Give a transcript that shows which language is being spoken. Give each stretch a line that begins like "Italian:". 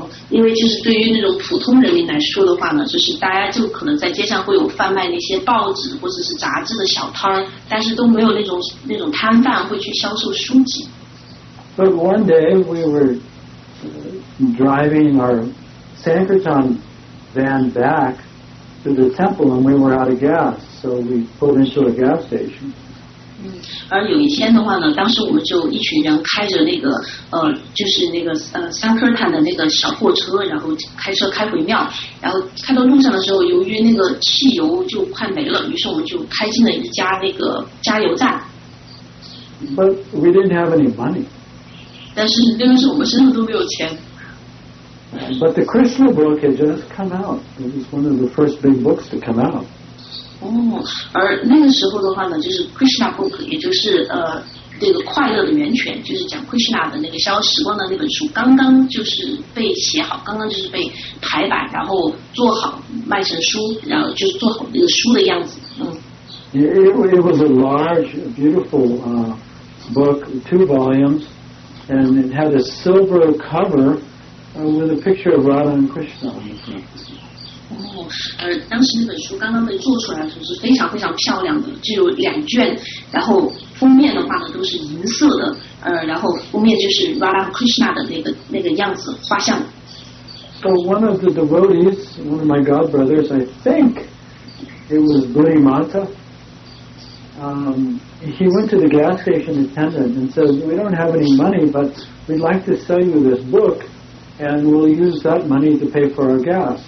Chinese: 因为就是对于那种普通人民来说的话呢，就是大家就可能在街上会有贩卖那些报纸或者是杂志的小摊，但是都没有那种摊贩会去销售书籍。
English: But one day we were driving our Sankirtan van back to the temple and we were out of gas, so we pulled into a gas station.
Chinese: 而有一天的话呢，当时我们就一群人开着那个就是那个Sankirtan的那个小货车，然后开车开回庙，然后开到路上的时候，由于那个汽油就快没了，于是我们就开进了一家那个加油站。
English: But we didn't have any money.
Chinese: 但是那个时候我们身上都没有钱。
English: But the Krishna book had just come out. It was one of the first big books to come out.
Chinese: 而那个时候的话呢，就是 Krishna book， 也就是那个快乐的源泉，就是讲 Krishna 的那个消时光的那本书，刚刚就是被写好，刚刚就是被排版，然后做好卖成书，然后就是做好那个书的样子。
English: It was a large, beautiful book, two volumes, and it had a silver cover with a picture of Radha and Krishna on it.
Chinese: 当时那本书刚刚被做出来的时候是非常非常漂亮的，只有两卷，然后封面的话呢都是银色的，然后封面就是 Radha Krishna 的那个样子画像。
English: So one of the devotees, one of my god brothers, I think it was Buddy Mata. He went to the gas station attendant and said, "We don't have any money, but we'd like to sell you this book." And we'll use that money to pay for our gas.